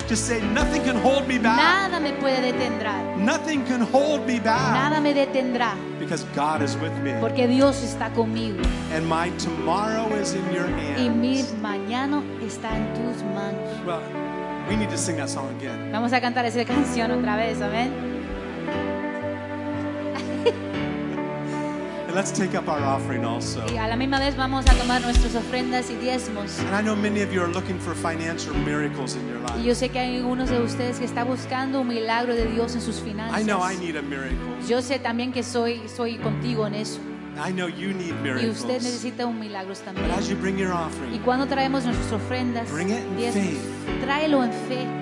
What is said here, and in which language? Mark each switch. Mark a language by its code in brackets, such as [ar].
[en] Just say, nothing can hold me back. [es] Nada me puede detendrá. [en] Nothing can hold me back. [es] Nada me detendrá. [en] Because God is with me. [es] Porque Dios está conmigo. [en] And my tomorrow is in your hands. [es] Y mi mañana está en tus manos. [en] Well, we need to sing that song again. [es] Vamos a cantar esa canción otra vez, amen. [en] And let's take up our offering also. [es] Y a la misma vez vamos a tomar nuestras ofrendas y diezmos. [en] And I know many of you are looking for financial miracles in your life. [es] Y yo sé que hay algunos de ustedes que están buscando un milagro de Dios en sus finanzas. [en] I know I need a miracle. [es] Yo sé también que soy contigo en eso. [en] I know you need miracles. [es] Y usted necesita un milagro también. [en] But as you bring your offering, [es] y cuando traemos nuestras ofrendas, [en] bring it in [es] diezmos, [en] faith. [es] Tráelo en fe.